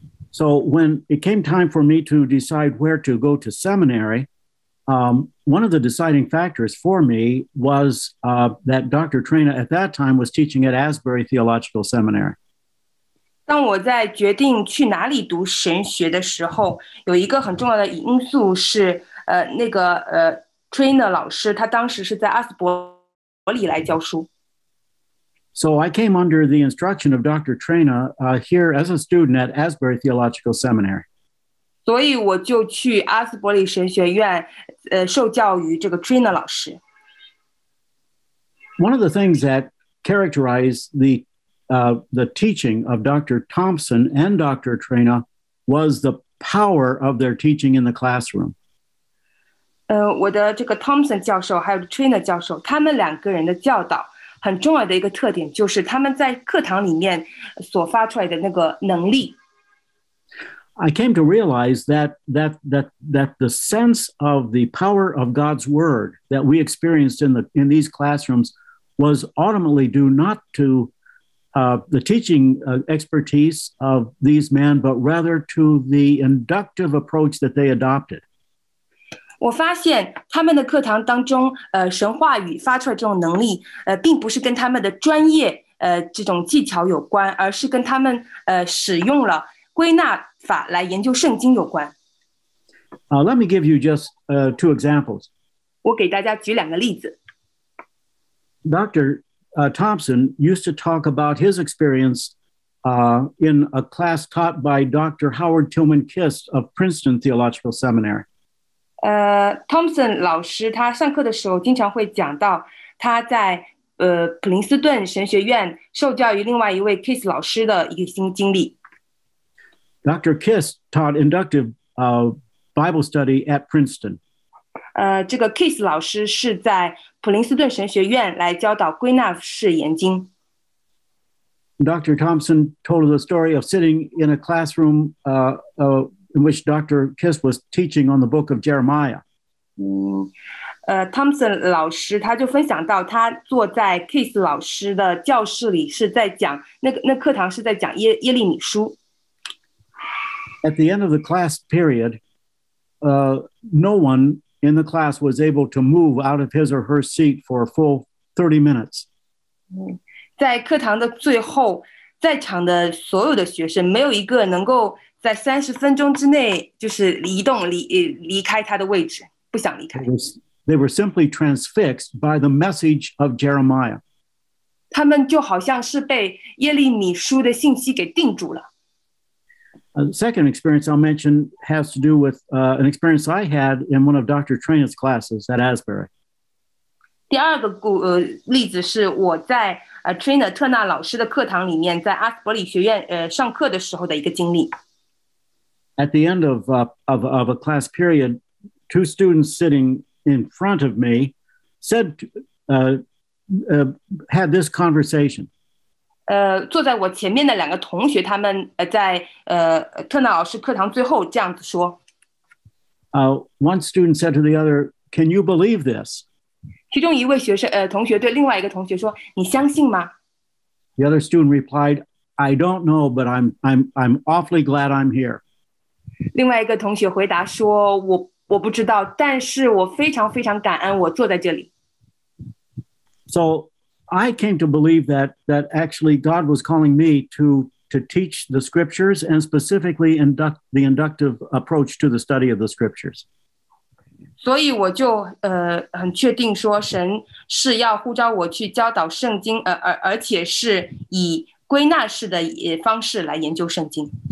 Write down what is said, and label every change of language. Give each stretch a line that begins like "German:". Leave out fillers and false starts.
English: So when it came time for me to decide where to go to seminary, one of the deciding factors for me was that Dr. Trainer at that time was teaching at Asbury Theological Seminary.
Chinese: 当我在决定去哪里读神学的时候，有一个很重要的因素是Trainer 老师他当时是在阿斯伯里来教书。
English: So I came under the instruction of Dr. Trainer here as a student at Asbury Theological Seminary.
Chinese: 所以我就去阿斯伯里神学院受教于这个 Trainer 老师。
English: One of the things that characterized the teaching of Dr. Thompson and Dr. Trainer was the power of their teaching in the classroom.
Chinese: 我的这个 Thompson 教授还有 Trainer 教授，他们两个人的教导很重要的一个特点就是他们在课堂里面所发出来的那个能力。
English: I came to realize that the sense of the power of God's word that we experienced in these classrooms was ultimately due not to the teaching expertise of these men, but rather to the inductive approach that they adopted.
Chinese: 我发现他们的课堂当中，神话语发出来这种能力，并不是跟他们的专业，这种技巧有关，而是跟他们，使用了归纳法来研究圣经有关。
English: Let me give you just two examples.
Chinese: 我给大家举两个例子。
English: Dr. Thompson used to talk about his experience in a class taught by Dr. Howard Tillman Kist of Princeton Theological Seminary.
Chinese: Thompson 老师他上课的时候经常会讲到他在普林斯顿神学院受教于另外一位 Kist 老师的一个新经历。
English: Dr. Kist taught inductive Bible study at Princeton.
Chinese: 这个 Kist 老师是在普林斯顿神学院来教导归纳式研经。
English: Dr. Thompson told the story of sitting in a classroom in which Dr. Kist was teaching on the book of Jeremiah.
Chinese: Thompson 老师他就分享到他坐在 Kist 老师的教室里是在讲那课堂是在讲耶利米书。
English: At the end of the class period, no one in the class was able to move out of his or her seat for a full 30 minutes.
Chinese: 在课堂的最后，在场的所有的学生没有一个能够在30分钟之内就是移动离开他的位置，不想离开。
English: They were simply transfixed by the message of Jeremiah.
Chinese: 他们就好像是被耶利米书的信息给定住了。
English: The second experience I'll mention has to do with an experience I had in one of Dr. Trainer's classes at Asbury.
Chinese: 第二个例子是我在Trainer 特纳老师的课堂里面在阿斯伯里学院上课的时候的一个经历。
English: At the end of a class period, two students sitting in front of me had this conversation.
Chinese: 坐在我前面的两个同学，他们在特纳老师课堂最后这样子说。
English: One student said to the other, "Can you believe this?"
Chinese: 其中一位学生同学对另外一个同学说：“你相信吗？”
English: The other student replied, "I don't know, but I'm awfully glad I'm here."
Chinese: 另外一个同学回答说：“我不知道，但是我非常非常感恩我坐在这里。”
English: So. I came to believe that actually God was calling me to teach the scriptures and specifically the inductive approach to the study of the scriptures.
Chinese: 所以我就很确定说神是要呼召我去教导圣经而且是以归纳式的方式来研究圣经。